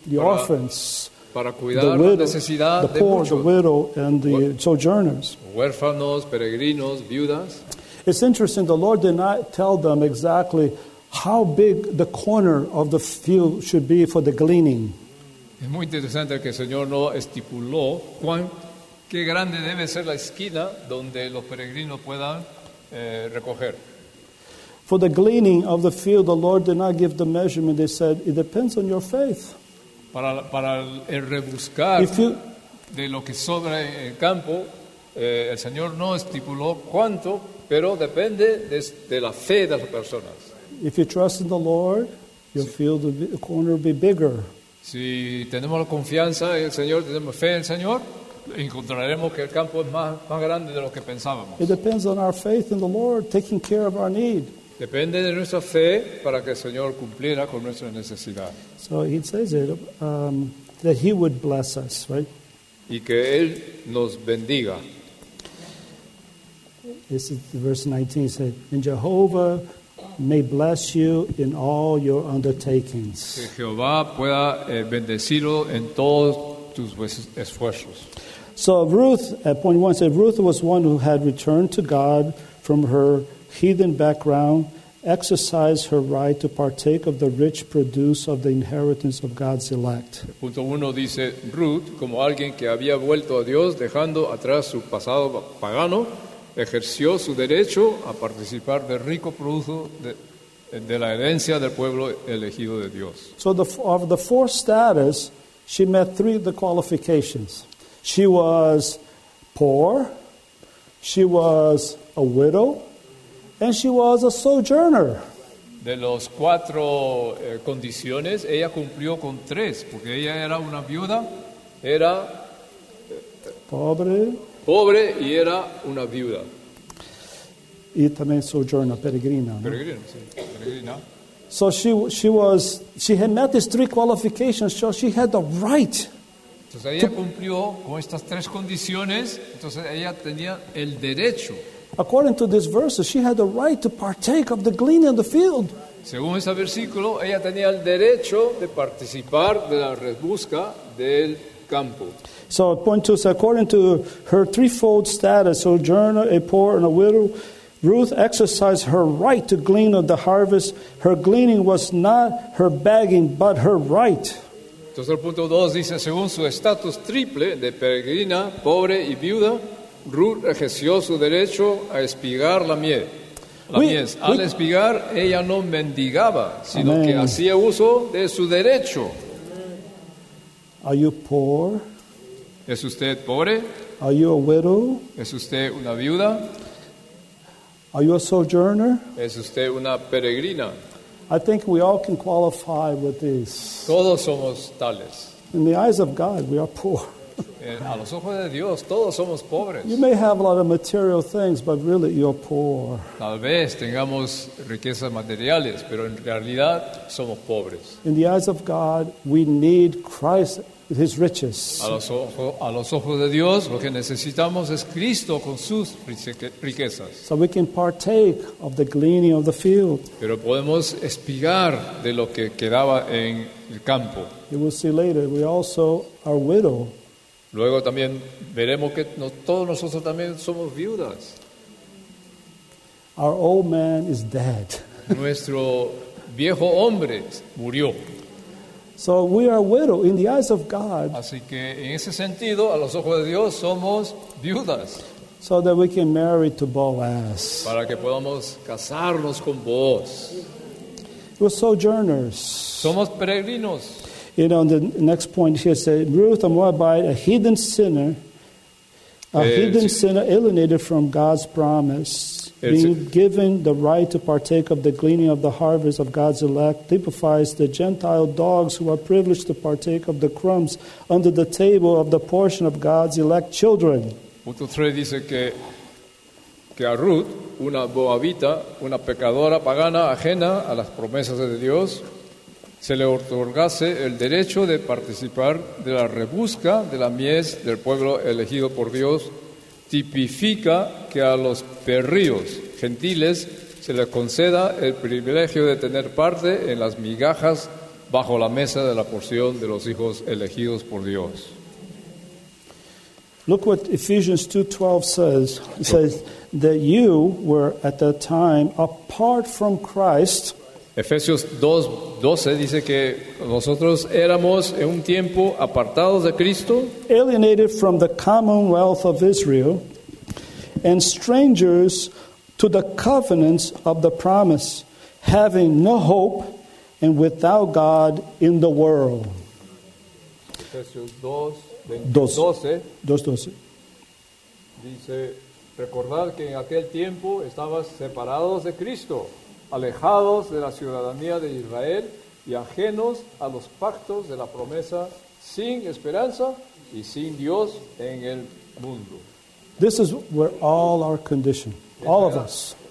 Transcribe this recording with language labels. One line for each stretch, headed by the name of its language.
English: The orphans.
Spanish: Para cuidar la necesidad de muchos.
English: The poor, the widow, and the sojourners.
Spanish: Huérfanos, peregrinos, viudas.
English: It's interesting, the Lord did not tell them exactly how big the corner of the field should be for the gleaning.
Spanish: Es muy interesante que el Señor no estipuló qué grande debe ser la esquina donde los peregrinos puedan recoger.
English: For the gleaning of the field, the Lord did not give the measurement. They said, it depends on your faith.
Spanish: Para el rebuscar de lo que sobra en el campo, el Señor no estipuló cuánto, pero depende de la fe de las personas.
English: If you trust in the Lord, you'll feel the corner will be bigger.
Spanish: Si tenemos la confianza en el Señor, tenemos fe en el Señor, encontraremos que el campo es más grande de lo que pensábamos.
English: It depends on our faith in the Lord, taking care of our need.
Spanish: Depende de nuestra fe para que el Señor cumpliera con nuestra necesidad.
English: So he says it, that he would bless us, right?
Spanish: Y que él nos bendiga.
English: This is verse 19 said, and Jehovah may bless you in all your undertakings.
Spanish: Que Jehová pueda bendecirlo en todos tus esfuerzos.
English: So Ruth, at point one, said Ruth was one who had returned to God from her heathen background, exercise her right to partake of the rich produce of the inheritance of God's elect.
Spanish: Punto uno dice, Ruth, como alguien que había vuelto a Dios, dejando atrás su pasado pagano, ejerció su derecho a participar del rico producto de la herencia del pueblo elegido de Dios.
English: So of the four status, she met three of the qualifications. She was poor, she was a widow, and she was a sojourner.
Spanish: De los cuatro condiciones, ella cumplió con tres, porque ella era una viuda, era pobre y era una viuda. Y también sojourner, peregrina. Peregrina, sí, peregrina.
English: So she had met these three qualifications, so she had the right.
Spanish: Entonces ella cumplió con estas tres condiciones, entonces ella tenía el derecho.
English: According to this verse, she had the right to partake of the gleaning of the field.
Spanish: Según ese versículo, ella tenía el derecho de participar de la rebusca del campo.
English: So point two, according to her threefold status, sojourner, a poor, and a widow, Ruth exercised her right to glean of the harvest. Her gleaning was not her begging, but her right.
Spanish: Entonces el punto dos dice, según su estatus triple de peregrina, pobre y viuda, Ruth ejerció su derecho a espigar la miel. Al espigar, ella no mendigaba, sino que hacía uso de su derecho.
English: Are you poor?
Spanish: ¿Es usted pobre?
English: Are you a widow?
Spanish: ¿Es usted una viuda?
English: Are you a sojourner?
Spanish: ¿Es usted una peregrina?
English: I think we all can qualify with this.
Spanish: Todos somos tales.
English: In the eyes of God, we are poor.
Spanish: A los ojos de Dios, todos somos pobres.
English: You may have a lot of material things, but really you're poor.
Spanish: Tal vez tengamos riquezas materiales, pero en realidad somos pobres.
English: In the eyes of God, we need Christ, His riches.
Spanish: A los ojos de Dios, lo que necesitamos es Cristo con sus riquezas.
English: So we can partake of the gleaning of the field.
Spanish: Pero podemos espigar de lo que quedaba en el campo.
English: You will see later, we also are widow.
Spanish: Luego también veremos que todos nosotros también somos viudas.
English: Our old man is dead.
Spanish: Nuestro viejo hombre murió.
English: So we are widow in the eyes of God.
Spanish: Así que en ese sentido, a los ojos de Dios, somos viudas.
English: So that we can marry to Boaz.
Spanish: Para que podamos casarnos con Boaz.
English: We're sojourners.
Spanish: Somos peregrinos.
English: You know, the next point here says, Ruth, a Moabite, a hidden sinner, sinner alienated from God's promise, being given the right to partake of the gleaning of the harvest of God's elect, typifies the Gentile dogs who are privileged to partake of the crumbs under the table of the portion of God's elect children.
Spanish: Punto 3 dice que a Ruth, una Moabita, una pecadora pagana ajena a las promesas de Dios, se le otorgase el derecho de participar de la rebusca de la mies del pueblo elegido por Dios, tipifica que a los perríos gentiles se les conceda el privilegio de tener parte en las migajas bajo la mesa de la porción de los hijos elegidos por Dios.
English: Look what Ephesians 2:12 says. It says that you were at that time apart from Christ.
Spanish: Efesios 2:12 dice que nosotros éramos en un tiempo apartados de Cristo,
English: alienated from the commonwealth of Israel and strangers to the covenants of the promise, having no hope and without God in the world.
Spanish: Efesios 2:12 dice, recordad que en aquel tiempo estabas separados de Cristo, alejados de la ciudadanía de Israel y ajenos a los pactos de la promesa, sin esperanza y sin Dios en el mundo.
English: This is where all our condition, all of us.